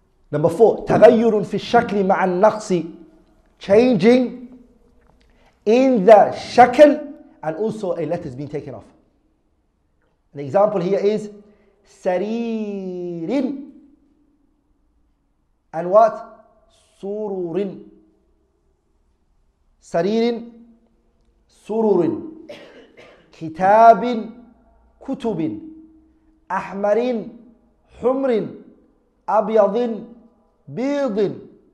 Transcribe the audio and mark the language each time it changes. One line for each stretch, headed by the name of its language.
English: Number four,
Arabic: تَغَيُّرٌ فِي الشَّكْلِ مَعَ النَّقْصِ.
English: Changing in the shakl, and also a letter's been taken off. An example here is سَرِيرٍ and what?
Arabic: سُرُورٍ. سَرِيرٍ سُرُورٍ كِتَابٍ كُتُبٍ أَحْمَرٍ حُمْرٍ أَبْيَضٍ بِيضٍ.